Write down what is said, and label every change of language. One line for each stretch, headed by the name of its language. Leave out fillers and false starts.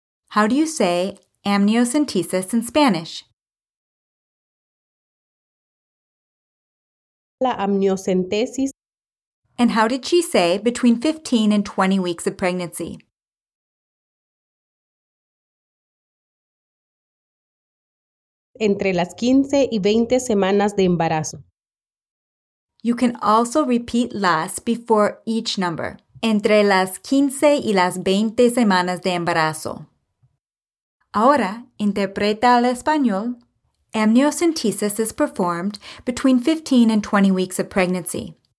English: How do you say amniocentesis in Spanish?
Spanish: La amniocentesis.
English: And how did she say between 15 and 20 weeks of pregnancy?
Spanish: Entre las 15 y 20 semanas de embarazo.
English: You can also repeat las before each number.
Spanish: Entre las 15 y las 20 semanas de embarazo. Ahora, interpreta al español.
English: Amniocentesis is performed between 15 and 20 weeks of pregnancy.